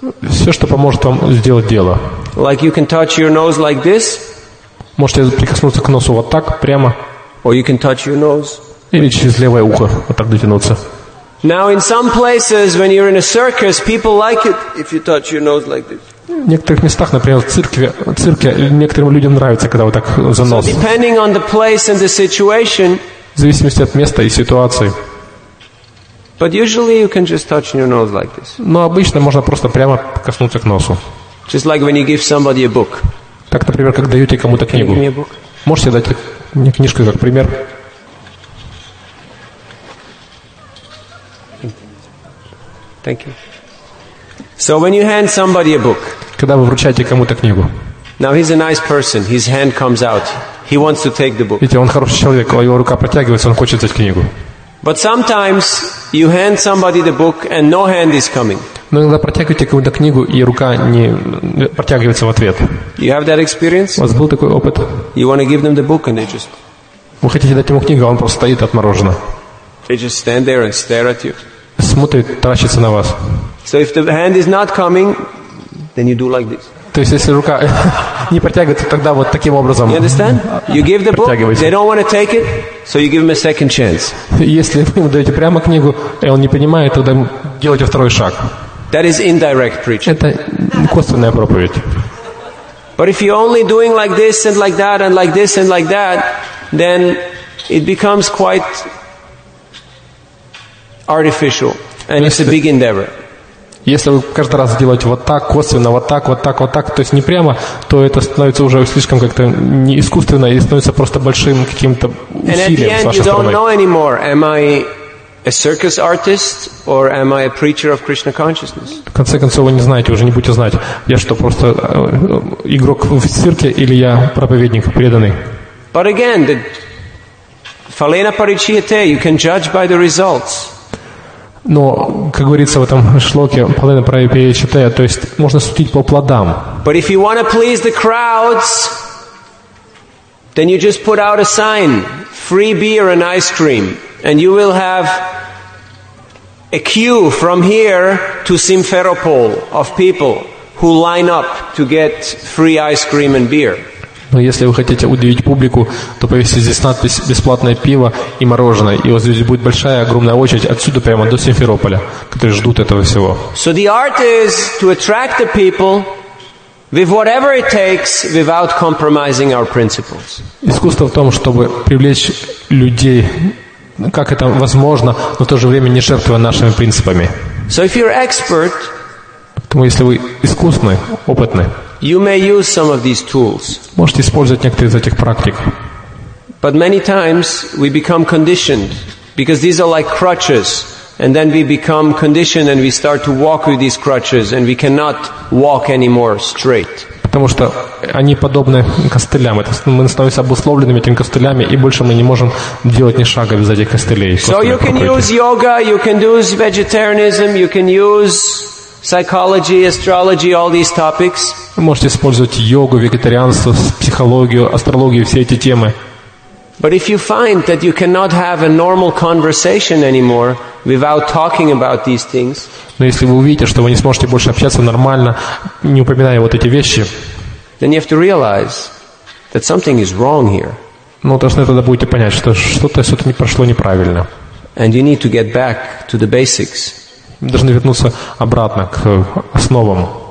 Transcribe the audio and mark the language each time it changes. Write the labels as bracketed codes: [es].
[ru] Все, что поможет вам сделать дело. [en] Like you can touch your nose like this. [ru] Можете прикоснуться к носу вот так прямо. [en] Or you can touch your nose. [ru] Или через левое ухо вот так дотянуться. [en] Now, in some places, when you're in a circus, people like it if you touch your nose like this. [ru] В некоторых местах, например, в цирке, некоторым людям нравится, когда вот так за нос. [en] Depending on the place and the situation. [ru] В зависимости от места и ситуации. [en] But usually you can just touch your nose like this. [ru] Но обычно можно просто прямо коснуться к носу. [en] Just like when you give somebody a book. [ru] Так, например, как даете кому-то книгу. [en] Can you give me a book? [ru] Можете дать мне книжку как пример? [en] Thank you. So when you hand somebody a book. [ru] Когда вы вручаете кому-то книгу. [en] Now he's a nice person. His hand comes out. He wants to take the book. [ru] Видите, он хороший человек, его рука протягивается, он хочет взять книгу. [en] But sometimes you hand somebody the book and no hand is coming. [ru] Но иногда протягиваете кому-то книгу, и рука не протягивается в ответ. [en] You have that experience? [ru] У вас был такой опыт? [en] You want to give them the book and they just. [ru] Вы хотите дать ему книгу, а он просто стоит отмороженно. [en] They just stand there and stare at you. [ru] Смотрит, таращится на вас. [en] So if the hand is not coming, then you do like this. [ru] То есть если рука не протягивается, тогда вот таким образом. [en] You understand? You give the book. They don't want to take it, so you give them a second chance. [ru] Если вы ему даете прямо книгу, и он не понимает, тогда делайте второй шаг. [en] That is indirect preaching. [ru] Это косвенная проповедь. [en] But if you're only doing like this and like that and like this and like that, then it becomes quite artificial, and it's a big endeavor. [ru] Если вы каждый раз делаете вот так, косвенно, вот так, вот так, вот так, то есть не прямо, то это становится уже слишком как-то не искусственно и становится просто большим каким-то усилием с вашей стороны. В конце концов, вы не знаете, уже не будете знать, я что, просто игрок в цирке или я проповедник преданный. [en] But again, the [sa] phalena parichyate, [en] you can judge by the results. [ru] Но, как говорится в этом шлоке, половина прави перечитая, то есть можно судить по плодам. [en] But if you want to please the crowds, then you just put out a sign, free beer and ice cream, and you will have a queue from here to Simferopol of people who line up to get free ice cream and beer. [ru] Но если вы хотите удивить публику, то повесьте здесь надпись «Бесплатное пиво и мороженое». И у вас здесь будет большая, огромная очередь отсюда прямо до Симферополя, которые ждут этого всего. [en] So the art is to attract the people with whatever it takes without compromising our principles. [ru] Искусство в том, чтобы привлечь людей, как это возможно, но в то же время не жертвуя нашими принципами. [en] So if you're expert, [ru] поэтому если вы искусный, опытный, [en] you may use some of these tools. [ru] Можете использовать некоторые из этих практик. [en] But many times we become conditioned because these are like crutches, and then we become conditioned and we start to walk with these crutches and we cannot walk anymore straight. [ru] Потому что они подобны костылям. Это мы становимся обусловленными этими костылями, и больше мы не можем делать ни шага без этих костылей. [en] So you can use yoga, you can use vegetarianism, you can use psychology, astrology, all these topics. [ru] Вы можете использовать йогу, вегетарианство, психологию, астрологию, все эти темы. [en] But if you find that you cannot have a normal conversation anymore without talking about these things. [ru] Но если вы увидите, что вы не сможете больше общаться нормально, не упоминая вот эти вещи. [en] Then you have to realize that something is wrong here. [ru] Ну, должны тогда будете понять, что что-то не прошло неправильно. [en] And you need to get back to the basics. [ru] Мы должны вернуться обратно к основам.